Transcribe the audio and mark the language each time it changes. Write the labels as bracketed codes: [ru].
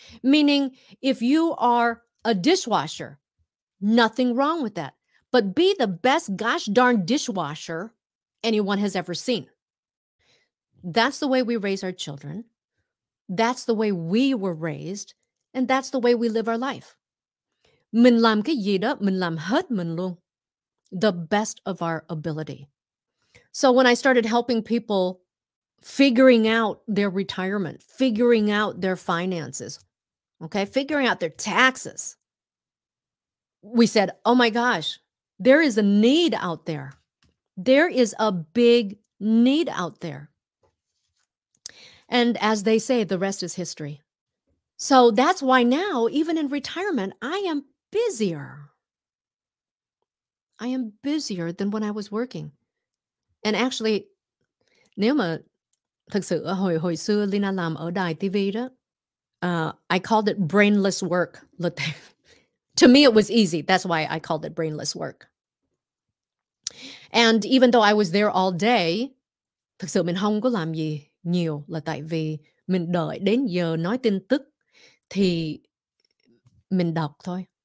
[en] Meaning, if you are a dishwasher, nothing wrong with that. But be the best gosh darn dishwasher anyone has ever seen. That's the way we raise our children. That's the way we were raised. And that's the way we live our life. [vi] Mình làm cái gì đó, mình làm hết mình luôn. [en] The best of our ability. So when I started helping people figuring out their retirement, figuring out their finances, okay, figuring out their taxes, we said, oh my gosh, there is a need out there. There is a big need out there. And as they say, the rest is history. So that's why now, even in retirement, I am busier than when I was working. And actually, [vi] nếu mà thực sự hồi xưa Lina làm ở đài TV đó, [en] I called it brainless work. To me, it was easy. That's why I called it brainless work. And even though I was there all day, [vi] thực sự mình không có làm gì nhiều là tại vì mình đợi đến giờ nói tin tức thì mình đọc thôi.